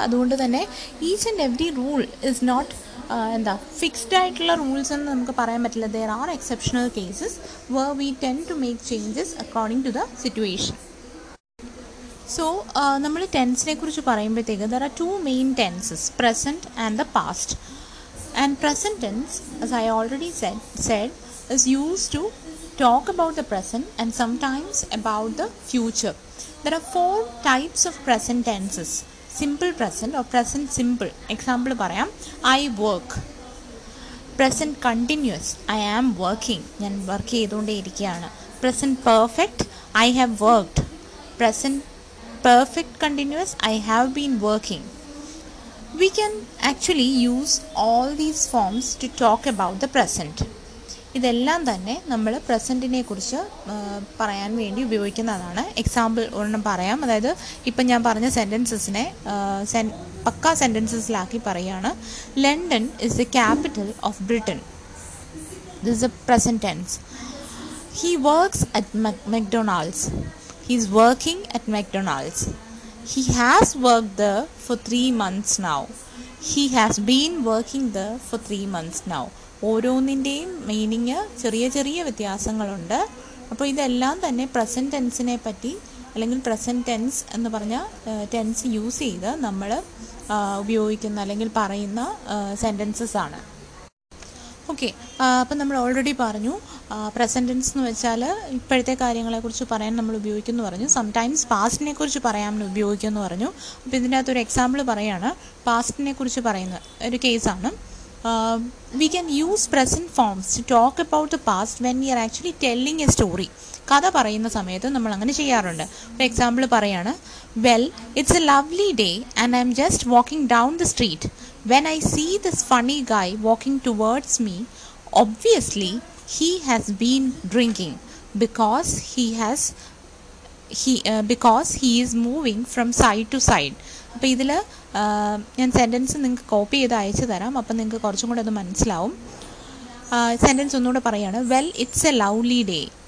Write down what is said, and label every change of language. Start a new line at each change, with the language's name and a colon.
Malayalam: അതുകൊണ്ട് തന്നെ
English: each and every rule is not
Malayalam: എന്താ ഫിക്സ്ഡ് ആയിട്ടുള്ള റൂൾസ് എന്ന് നമുക്ക് പറയാൻ പറ്റില്ല.
English: There are exceptional cases where we tend to make changes according to the situation. So
Malayalam: നമ്മൾ ടെൻസിനെ കുറിച്ച് പറയുമ്പോഴത്തേക്ക്
English: There are two main tenses, present and the past. And present tense, as I already said, is used to talk about the present and sometimes about the future. There are four types of present tenses. Simple present or present simple. Example parayam, I work. Present continuous, I am working.
Malayalam: Njan work cheyidonde irikkana.
English: Present perfect, I have worked. Present perfect continuous, I have been working. We can actually use all these forms to talk about the present.
Malayalam: ഇതെല്ലാം തന്നെ നമ്മൾ പ്രസൻറ്റിനെ കുറിച്ച് പറയാൻ വേണ്ടി ഉപയോഗിക്കുന്നതാണ്. Example ഒരെണ്ണം പറയാം. അതായത് ഇപ്പം ഞാൻ പറഞ്ഞ സെൻറ്റൻസസിനെ പക്ക സെൻറ്റൻസസിലാക്കി പറയുകയാണ്.
English: London is the capital of Britain. This is a present tense. He works at McDonald's. He is working at McDonald's. He has worked there for 3 months now. He has been working there for 3 months now.
Malayalam: ഓരോന്നിൻ്റെയും meaning ചെറിയ ചെറിയ വ്യത്യാസങ്ങളുണ്ട്. അപ്പോൾ ഇതെല്ലാം തന്നെ present ടെൻസിനെ പറ്റി അല്ലെങ്കിൽ present tense എന്ന് പറഞ്ഞാൽ ടെൻസ് യൂസ് ചെയ്ത് നമ്മൾ ഉപയോഗിക്കുന്ന അല്ലെങ്കിൽ പറയുന്ന സെൻറ്റൻസസ് ആണ്. ഓക്കെ, അപ്പം നമ്മൾ ഓൾറെഡി പറഞ്ഞു പ്രസൻറ്റ് ടെൻസ് എന്ന് വെച്ചാൽ ഇപ്പോഴത്തെ കാര്യങ്ങളെക്കുറിച്ച് പറയാൻ നമ്മൾ ഉപയോഗിക്കുമെന്ന് പറഞ്ഞു. സംടൈംസ് പാസ്റ്റിനെ കുറിച്ച് പറയാൻ ഉപയോഗിക്കുമെന്ന് പറഞ്ഞു. അപ്പോൾ ഇതിൻ്റെ അകത്തൊരു എക്സാമ്പിൾ പറയുകയാണ്, പാസ്റ്റിനെ കുറിച്ച് പറയുന്ന ഒരു കേസാണ്.
English: We can use present forms to talk about the past when you are actually telling a story.
Malayalam: കഥ പറയുന്ന സമയത്ത് നമ്മൾ അങ്ങനെ ചെയ്യാറുണ്ട്. ഒരു എക്സാമ്പിൾ പറയുകയാണ്,
English: Well it's a lovely day and I'm just walking down the street. When I see this funny guy walking towards me, obviously he has been drinking because he is moving from side to side.
Malayalam: അപ്പം ഇതിൽ ഞാൻ sentence നിങ്ങൾക്ക് copy ചെയ്ത് അയച്ചു തരാം. അപ്പം നിങ്ങൾക്ക് കുറച്ചും കൂടെ അത് മനസ്സിലാവും. സെൻറ്റൻസ് ഒന്നുകൂടെ പറയുകയാണ്,
English: Well it's a lovely day.